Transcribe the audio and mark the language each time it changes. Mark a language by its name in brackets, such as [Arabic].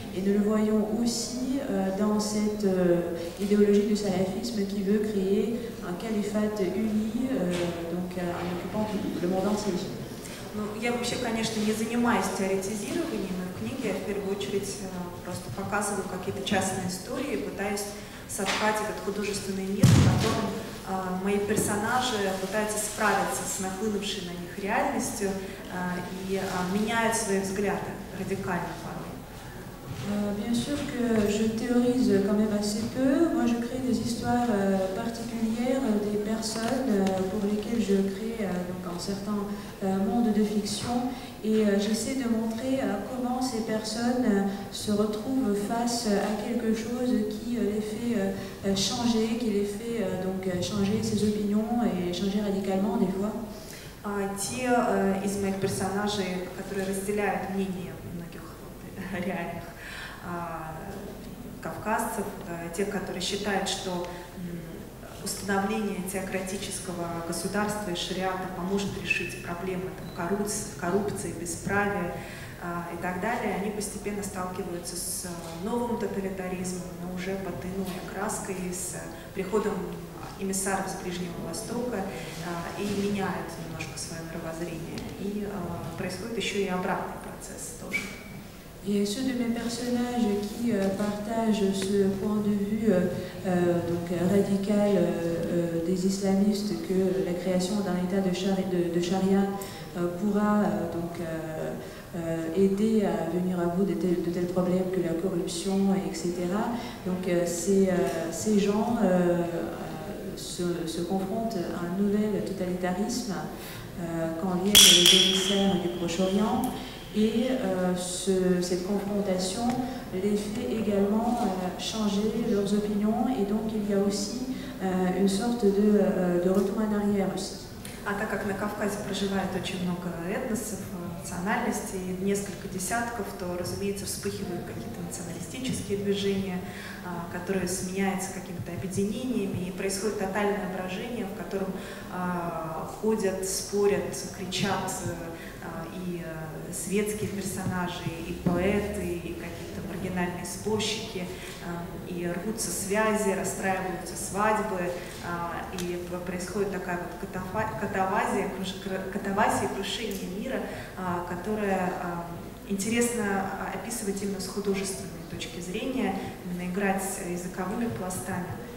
[French] Et nous le voyons aussi dans cette idéologie du salafisme qui veut créer un califat uni, en occupant tout le monde entier. [Russian] Ну, я вообще, конечно, не занимаюсь теоретизированием, но в книге я в первую очередь просто показываю какие-то частные истории, пытаюсь соткать этот художественный мир, в котором мои персонажи пытаются справиться с нахлынувшей на них реальностью и меняют свои взгляды радикально порой. [French] Bien sûr que je théorise quand même assez peu. Moi, je crée des histoires particulières des personnes pour lesquelles je crée donc un certain monde de fiction. Et j'essaie de montrer comment ces personnes se retrouvent face à quelque chose qui les fait changer, qui les fait donc changer ses opinions et changer radicalement des fois. [Russian] Те из моих персонажей, которые разделяют мнение многих вот, реальных кавказцев, тех, которые считают, что установление теократического государства и шариата поможет решить проблемы там, коррупции, бесправия и так далее, они постепенно сталкиваются с новым тоталитаризмом, но уже под иной краской, с приходом эмиссаров с Ближнего Востока и меняют немножко свое мировоззрение. И происходит еще и обратный процесс тоже. [French] Et ceux de mes personnages qui partagent ce point de vue donc radical des islamistes que la création d'un état de charia pourra donc aider à venir à bout de tels problèmes que la corruption, etc. Donc ces gens se confrontent à un nouvel totalitarisme quand viennent les émissaires du Proche-Orient. Et cette confrontation les fait également changer leurs opinions, et donc il y a aussi une sorte de retour en arrière aussi. [Russian] А так как на Кавказе проживает очень много этносов, национальностей, несколько десятков, то, разумеется, вспыхивают какие-то националистические движения, которые сменяются какими-то объединениями, и происходит тотальное брожение, в котором ходят, спорят, кричат и светские персонажи, и поэты, и какие-то маргинальные спорщики, и рвутся связи, расстраиваются свадьбы, и происходит такая вот катавазия, крушение мира, которая интересно описывать именно с художественной точки зрения, именно играть с языковыми пластами.